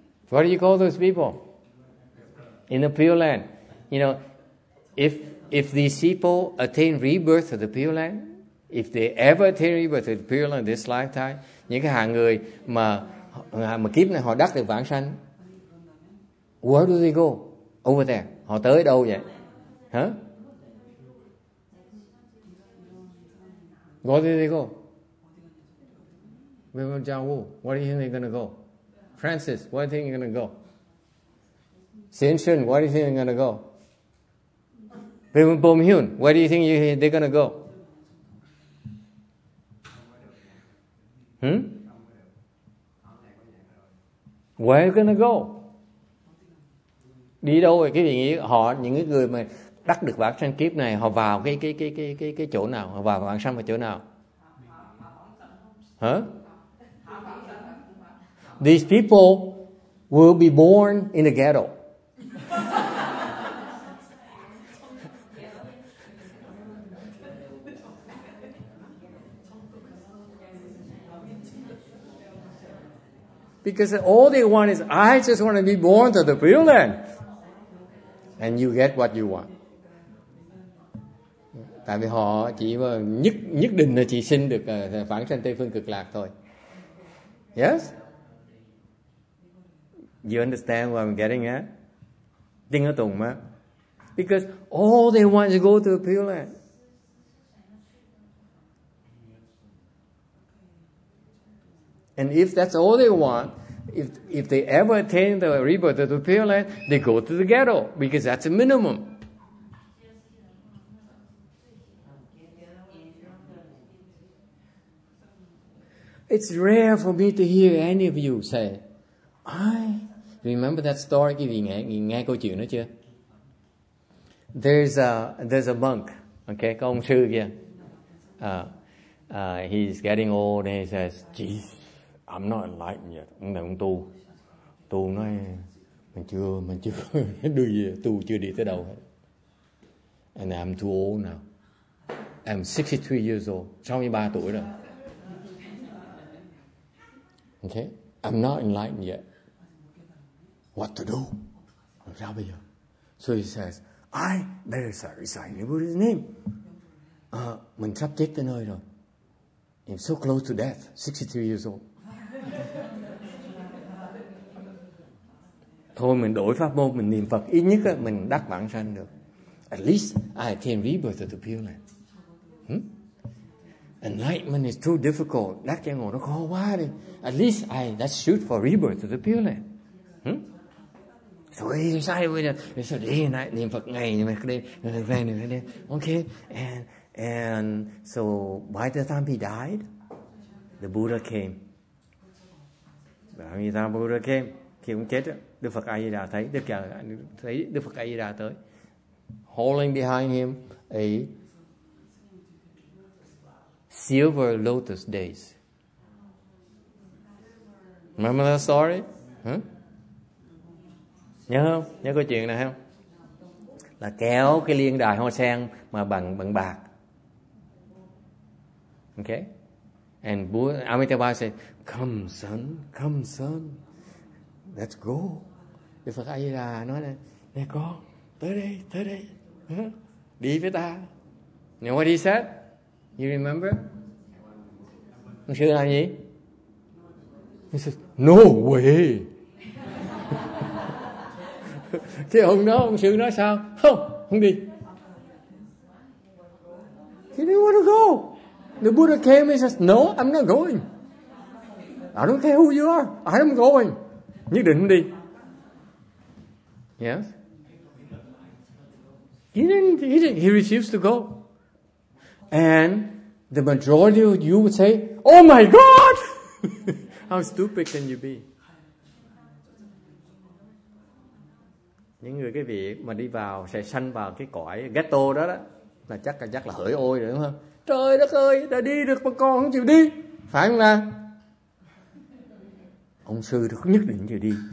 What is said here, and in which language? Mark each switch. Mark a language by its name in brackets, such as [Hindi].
[English] What do you call those people? In the Pure Land, you know, if if these people attain rebirth of the Pure Land, if they ever attain rebirth of the Pure Land this lifetime, [Vietnamese] những cái hàng người mà kiếp này họ đắc được vãng sanh, [English] where do they go? Over there. [Vietnamese] Họ tới đâu vậy? Hả? [English] Where do they go? Where do you think they're going to go? Francis, where do you think you're going to go? Sin Shun, where do you think they're going to go? Bim Bum Hyun, where do you think they're going to go? Hmm? Where are you going to go? [Vietnamese] Đi đâu rồi? Cái vị nghĩa họ, những cái người mà đắc được vãng sanh kiếp này, họ vào cái chỗ nào? Họ vào vãng sanh ở chỗ nào? Hả? [English] These people will be born in a ghetto. Because all they want is, I just want to be born to the Pure Land. And you get what you want. [Vietnamese] Tại vì họ chỉ nhất định là chỉ xin được vãng sanh Tây Phương Cực Lạc thôi. [English] Yes? You understand what I'm getting at? [Vietnamese] Tinh ở tùng mà. [English] Because all they want is to go to the Pure Land. And if that's all they want, if they ever attain the rebirth of the Pure Land, they go to the ghetto because that's a minimum. It's rare for me to hear any of you say, I remember that story. [Vietnamese] Quý vị nghe câu chuyện nữa chưa? [English] There's a monk, okay, [Vietnamese] có ông sư kia. [English] He's getting old and he says, geez, I'm not enlightened yet. [Vietnamese] Ông này ông tu. Tu nói, mình chưa, đưa gì, tu chưa đi tới đâu hết. [English] And I'm too old now. I'm 63 years old, [Vietnamese] 63 tuổi rồi. [English] Okay, I'm not enlightened yet. What to do? [Vietnamese] Sao bây giờ? [English] So he says, I better start reciting the Buddha's name. [Vietnamese] Mình sắp chết tới nơi rồi. [English] I'm so close to death, 63 years old. [Vietnamese] Thôi mình đổi pháp môn, mình niệm Phật, ít nhất mình đắc vãng sanh được. [English] At least I attain rebirth of the Pure Land. Enlightenment is too difficult. [Vietnamese] Đắc giác ngộ nó khó quá đi. [English] At least I that shoot for rebirth of the Pure Land. So he decided with it. He said, day and night, [Vietnamese] niệm Phật ngày, niệm Phật ngày. [English] Okay. And so by the time he died, the Buddha came. [Vietnamese] Bởi vì sao [English] Buddha came? [Vietnamese] Khi ông chết, Đức Phật A-di-đà thấy. Đức Phật A-di-đà tới. [English] Holding behind him a silver lotus days. Remember that story? [Vietnamese] Nhớ không? Nhớ câu chuyện này không? Là kéo cái liên đài hoa sen mà bằng bạc. [English] Okay? And Buddha, Amitabha said, come son, let's go. [Vietnamese] Đức Phật A-di-đà nói là, nè con, tới đây, đi với ta. [English] You know what he said? You remember? [Vietnamese] Ông sư làm gì? [English] He said, no way. [Vietnamese] Thế ông nói, ông sư nói sao? Không, không đi. [English] He didn't want to go. The Buddha came and says, no, I'm not going. I don't care who you are. I'm going. [Vietnamese] Nhất định đi. [English] Yes. He refused to go. And the majority of you would say, oh my God! How stupid can you be? [Vietnamese] Những người cái vị mà đi vào sẽ sanh vào cái cõi ghetto đó là chắc là hỡi ôi rồi đúng không? Trời đất ơi, đã đi được mà con không chịu đi. Phải không nào? Ông sư được nhất định chịu đi.